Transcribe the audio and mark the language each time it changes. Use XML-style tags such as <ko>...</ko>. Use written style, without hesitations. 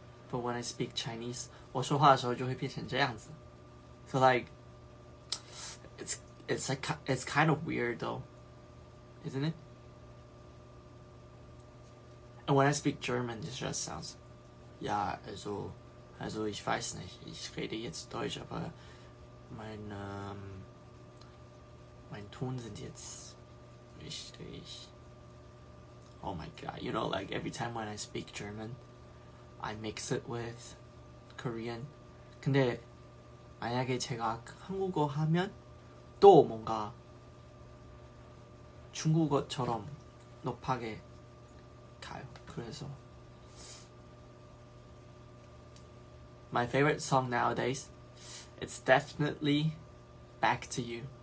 <en>But when I speak Chinese,</en> <zh>我说话的时候就会变成这样子.</zh> <en>So like, it's kind of weird though, isn't it? And when I speak German, it just sounds, yeah.</en> <de>Also ich weiß nicht. Ich rede jetzt Deutsch, aber mein mein Ton sind jetzt richtig.</de> <en>Oh my god, you know, like every time when I speak German, I mix it with Korean.</en> <ko>근데 만약에 제가 한국어 하면 또 뭔가 중국어처럼 높하게 가요.</ko> <en>그래서 my favorite song nowadays, it's definitely Back to You.</en>